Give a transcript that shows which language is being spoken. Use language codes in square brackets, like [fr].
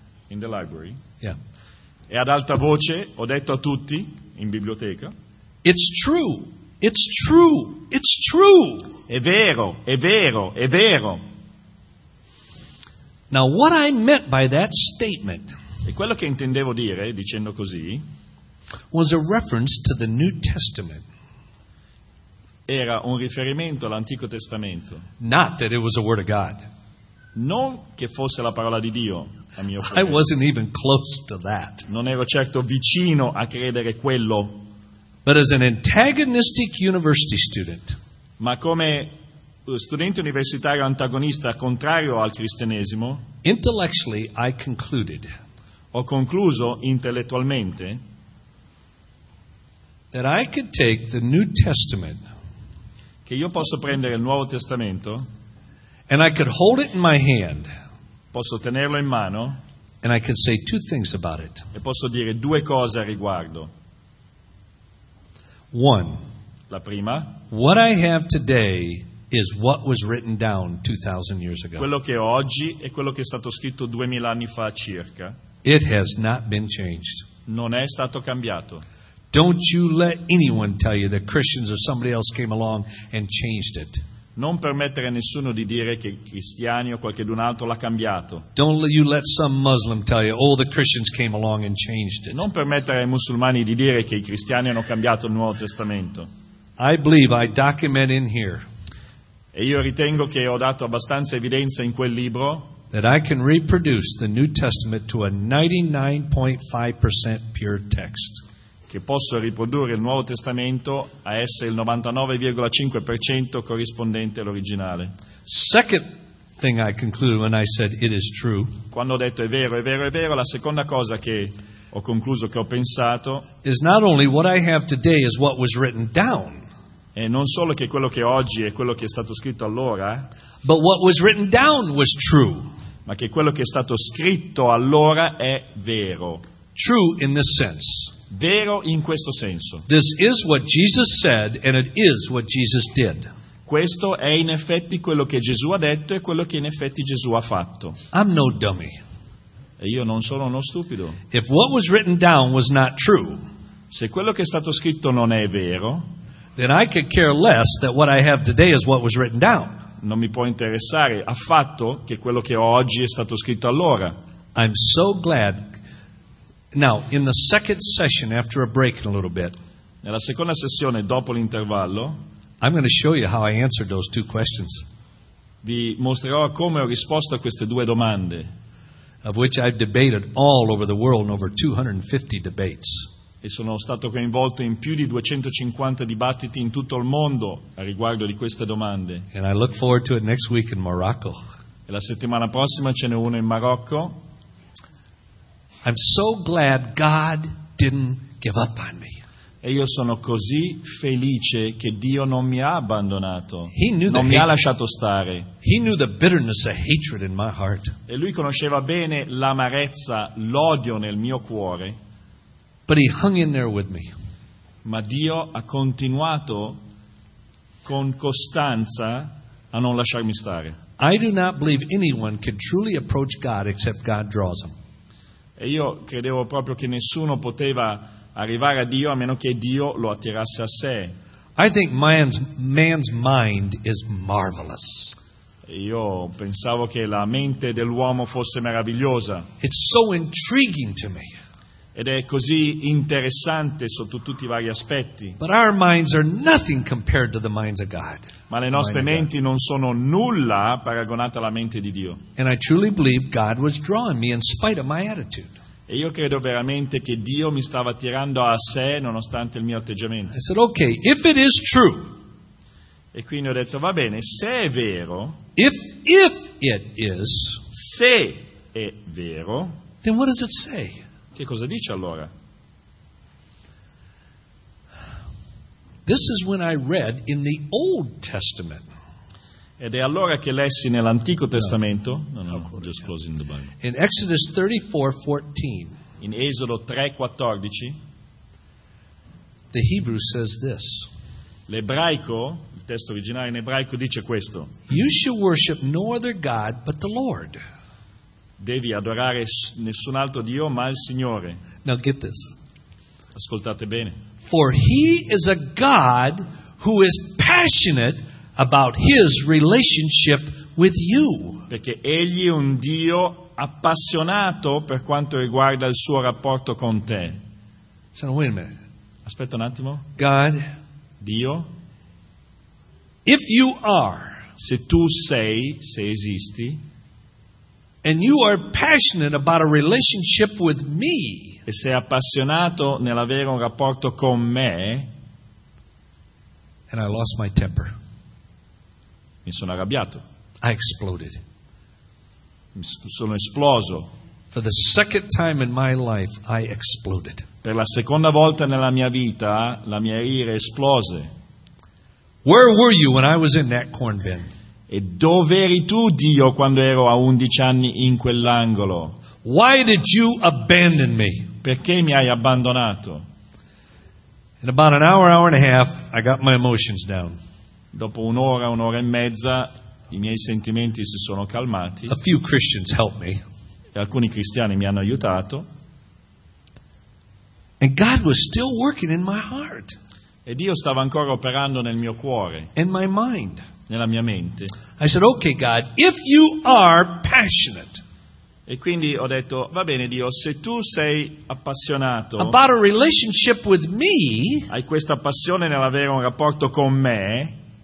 [en] In the library. Yeah. [it] E ad alta voce ho detto a tutti in biblioteca. [en] It's true. It's true. It's true. [it] È vero. È vero. È vero. [en] Now what I meant by that statement. [it] E quello che intendevo dire dicendo così. [en] Was a reference to the New Testament. [it] Era un riferimento all'Antico Testamento. [en] Not that it was a word of God. [it] Non che fosse la parola di Dio, a mio parere. [en] I wasn't even close to that. [it] Non ero certo vicino a credere quello. [en] But as an antagonistic university student. [it] Ma come studente universitario antagonista, contrario al cristianesimo. [en] Intellectually, I concluded. [it] Ho concluso intellettualmente. [en] That I could take the New Testament. [it] Che io posso prendere il Nuovo Testamento. [en] And I could hold it in my hand. [it] Posso tenerlo in mano. [en] And I could say two things about it. [it] E posso dire due cose a riguardo. [en] One. [it] La prima. [en] What I have today is what was written down 2,000 years ago. [it] Quello che ho oggi è quello che è stato scritto 2,000 anni fa circa. [en] It has not been changed. [it] Non è stato cambiato. [en] Don't you let anyone tell you that Christians or somebody else came along and changed it. [it] Non permettere a nessuno di dire che cristiani o qualcun altro l'ha cambiato. [en] Don't you let some Muslim tell you, oh, the Christians came along and changed it. [it] Non permettere ai musulmani di dire che i cristiani hanno cambiato il Nuovo Testamento. [en] I believe I document in here. [it] E io ritengo che ho dato abbastanza evidenza in quel libro. [en] That I can reproduce the New Testament to a 99.5% pure text. [it] Che posso riprodurre il Nuovo Testamento a essere il 99,5% corrispondente all'originale. [en] Second thing I concluded when I said it is true. [it] Quando ho detto è vero, è vero, è vero, la seconda cosa che ho concluso, che ho pensato, [en] is not only what I have today is what was written down. [it] È non solo che quello che oggi è quello che è stato scritto allora, [en] but what was written down was true. [it] Ma che quello che è stato scritto allora è vero. [en] True in this sense. [it] Vero in questo senso. [en] This is what Jesus said and it is what Jesus did. [it] Questo è in effetti quello che Gesù ha detto e quello che in effetti Gesù ha fatto. [en] I'm no dummy. [it] E io non sono uno stupido. [en] If what was written down was not true, [it] se quello che è stato scritto non è vero, [en] then I could care less that what I have today is what was written down. [it] Non mi può interessare affatto che quello che ho oggi è stato scritto allora. [en] I'm so glad. Now, in the second session, after a break in a little bit, [it] nella seconda sessione, dopo l'intervallo, [en] I'm going to show you how I answered those two questions. [it] Vi mostrerò come ho risposto a queste due domande. [en] Of which I've debated all over the world in over 250 debates. [it] E sono stato coinvolto in più di 250 dibattiti in tutto il mondo a riguardo di queste domande. [en] And I look forward to it next week in Morocco. [it] E la settimana prossima ce n'è uno in Marocco. [en] I'm so glad God didn't give up on me. [it] E io sono così felice che Dio non mi ha abbandonato. [en] He knew [it] non mi ha lasciato stare. [en] He knew the bitterness of hatred in my heart. [it] E lui conosceva bene l'amarezza, l'odio nel mio cuore. [en] But he hung in there with me. [it] Ma Dio ha continuato con costanza a non lasciarmi stare. [en] I do not believe anyone can truly approach God except God draws him. [it] E io credevo proprio che nessuno poteva arrivare a Dio a meno che Dio lo attirasse a sé. [en] I think man's mind is marvelous. [it] Io pensavo che la mente dell'uomo fosse meravigliosa. [en] It's so intriguing to me. [it] Ed è così interessante sotto tutti i vari aspetti. [en] But our minds are nothing compared to the minds of God. [it] Ma le nostre menti non sono nulla paragonate alla mente di Dio. [en] And I truly believe God was drawing me in spite of my attitude. [it] E io credo veramente che Dio mi stava tirando a sé nonostante il mio atteggiamento. [en] I said, okay, if it is true, [it] E quindi ho detto, va bene, se è vero, [en] if it is, [it] se è vero, [en] then what does it say? [it] Che cosa dice allora? [en] This is when I read in the Old Testament. [it] Ed è allora che lessi nell'Antico Testamento. [en] No, just closing the Bible. In Exodus 34:14. [it] In Esodo 3:14. [en] The Hebrew says this. [it] L'ebraico, il testo originale in ebraico dice questo. [en] You shall worship no other god but the Lord. [it] Devi adorare nessun altro dio ma il Signore. [en] Now get this. [it] Ascoltate bene. [en] For he is a god who is passionate about his relationship with you. [it] Perché egli è un dio appassionato per quanto riguarda il suo rapporto con te. [en] So, wait a minute. [it] Aspetta un attimo. [en] God, [it] Dio, [en] if you are, [it] se tu sei, se esisti, [en] and you are passionate about a relationship with me, [it] e sei appassionato nell'avere un rapporto con me, [en] and I lost my temper. [it] Mi sono arrabbiato. [en] I exploded. [it] Mi sono esploso. [en] For the second time in my life, I exploded. [it] Per la seconda volta nella mia vita, la mia ira esplose. [en] Where were you when I was in that corn bin? [it] E dove eri tu, Dio, quando ero a 11 anni in quell'angolo? [en] Why did you abandon me? [it] Perché mi hai abbandonato? [en] In about an hour, hour and a half, I got my emotions down. [it] Dopo un'ora e mezza, i miei sentimenti si sono calmati. [en] A few Christians helped me. [it] E alcuni cristiani mi hanno aiutato. [en] And God was still working in my heart. [it] E Dio stava ancora operando nel mio cuore. [en] In my mind. [it] Nella mia mente. [en] I said, okay, God, if you are passionate. [it] E quindi ho detto, va bene Dio, se tu sei appassionato [en] about a relationship with me, [it] hai questa passione nell'avere un rapporto con me,